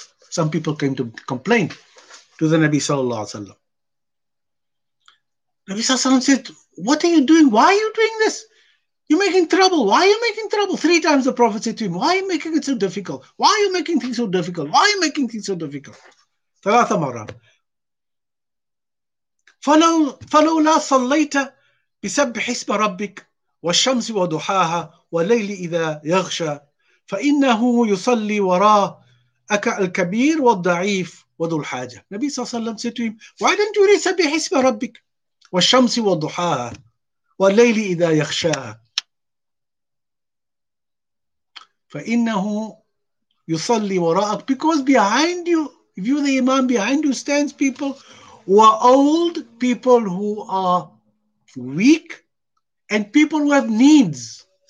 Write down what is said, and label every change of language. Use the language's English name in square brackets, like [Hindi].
[English] Some people came to complain to the Nabi sallallahu alayhi wa sallam. Nabi sallallahu alayhi wa sallam said, what are you doing? Why are you doing this? You're making trouble. Why are you making trouble? 3 times the Prophet said to him, why are you making it so difficult? Why are you making things so difficult? Why are you making things so difficult? [Arabic] ثلاثة مرات. فلولا صليت بسبح اسم ربك والشمس وضحاها والليل إذا يغشى فإنه يصلي وراء أك الكبير والضعيف وذو الحاجة. النبي صلى الله عليه وسلم [English] said to him, why don't you read [Arabic] سبح اسم ربك والشمس وضحاها والليل إذا يغشاها فَإِنَّهُ يُصَلِّ وَرَاءَكَ, [English] because behind you, if you're the imam, behind you stands people who are old, people who are weak, and people who have needs.